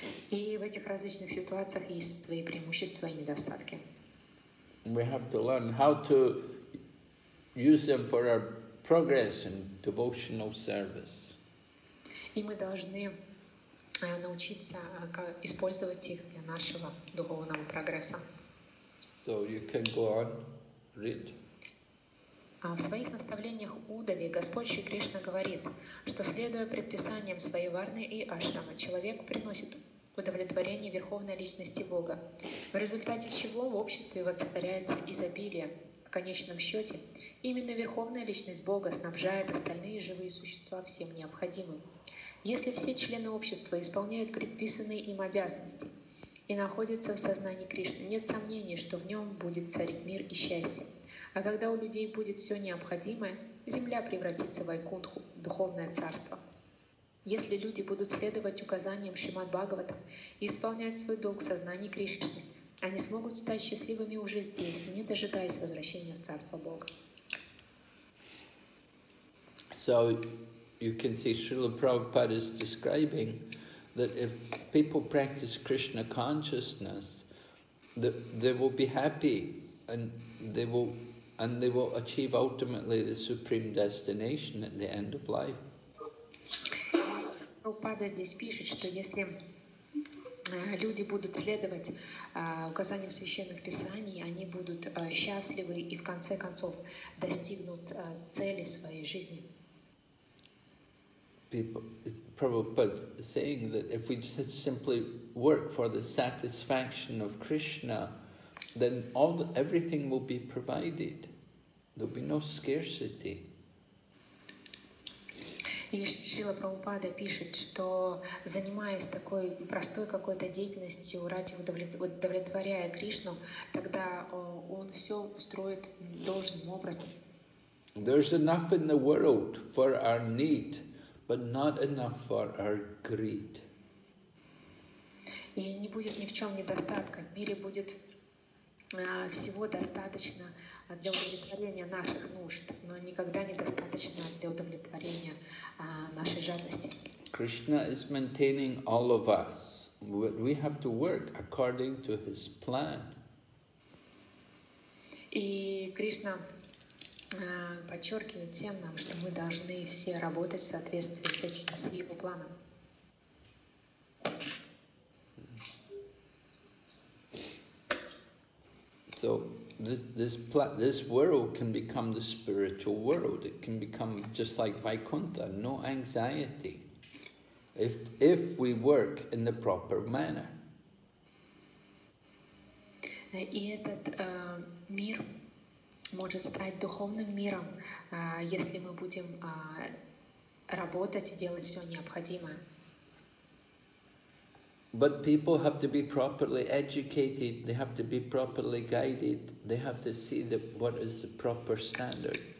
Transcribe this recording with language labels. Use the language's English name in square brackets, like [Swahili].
[Russian] И в этих различных ситуациях есть свои преимущества и недостатки. [English] We have to learn how to use them for our progress and devotional service. [Russian] И мы должны научиться использовать их для нашего духовного прогресса. [English] So you can go on, read. [Russian] Кундали Господь Шри Кришна говорит, что следуя предписаниям своей варны и ашрама, человек приносит удовлетворение Верховной Личности Бога, в результате чего в обществе воцаряется изобилие. В конечном счете, именно Верховная Личность Бога снабжает остальные живые существа всем необходимым. Если все члены общества исполняют предписанные им обязанности и находятся в сознании Кришны, нет сомнений, что в нем будет царить мир и счастье. А когда у людей будет все необходимое, земля превратится в Вайкунтху, духовное царство. Если люди будут следовать указаниям Шримад-Бхагаватам и исполнять свой долг в сознании Кришны, они смогут стать счастливыми уже здесь, не дожидаясь возвращения в царство Бога. [English] So you can see Srila Prabhupada is describing that if people practice Krishna consciousness, they will be happy and they will achieve ultimately the supreme destination at the end of life. [Russian] Прабхупада здесь пишет, что если люди будут следовать указаниям священных писаний, они будут счастливы и в конце концов достигнут цели своей жизни. [English] Prabhupada saying that if we just simply work for the satisfaction of Krishna, then everything will be provided. There will be no scarcity. [Russian] И Шрила Прабхупада пишет, что занимаясь такой простой какой-то деятельностью, ради удовлетворяя Кришну, тогда он все устроит должным образом. [English] There's enough in the world for our need, but not enough for our greed. [Russian] И не будет ни в чем недостатка. В мире будет всего достаточно для удовлетворения наших нужд, но никогда недостаточно для удовлетворения нашей жадности. [English] Krishna is maintaining all of us. We have to work according to his plan. [Russian] И Кришна подчеркивает всем нам, что мы должны все работать в соответствии с его планом. [English] So this world can become the spiritual world. It can become just like Vaikuntha, no anxiety, if we work in the proper manner. [Russian] И этот мир может стать духовным миром, если мы будем работать и делать все необходимое. [English] But people have to be properly educated, they have to be properly guided, they have to see what is the proper standard.